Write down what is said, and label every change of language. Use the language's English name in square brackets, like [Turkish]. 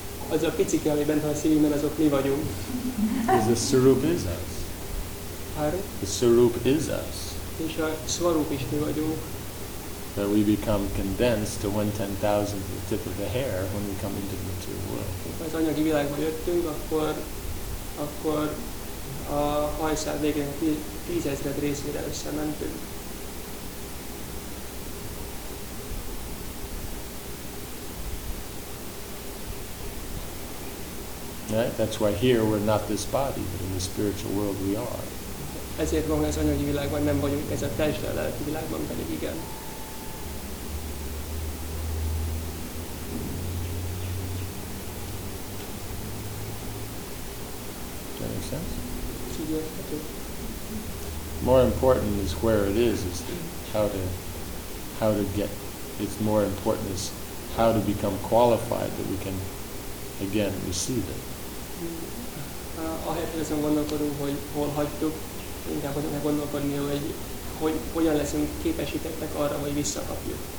[Hungarian] Az a picike, ami bent van a szívünkben, azok mi vagyunk. [English] The Surup is us. Pardon? The Surup is us. [Hungarian] És a Svarup is mi vagyunk. [English] That we become condensed to 1/10,000th the tip of the hair when we come into the material world. [Hungarian] Ha az anyagi világba jöttünk, akkor a hajszál végén 10,000 részére összementünk. [English] Right? That's why here we're not this body, but in the spiritual world we are. [Hungarian] Ezért van az anyagi világban, nem vagyunk ez a test, de a lelki világban pedig igen. [English] That makes sense? Okay. More important is where it is how to get, it's more important is how to become qualified that we can again receive it. [Hungarian] Ahelyett, hogy azon gondolkodunk, hogy hol hagytuk, inkább azon kell gondolkodni, hogy hogyan leszünk képesítettek arra, hogy visszakapjuk.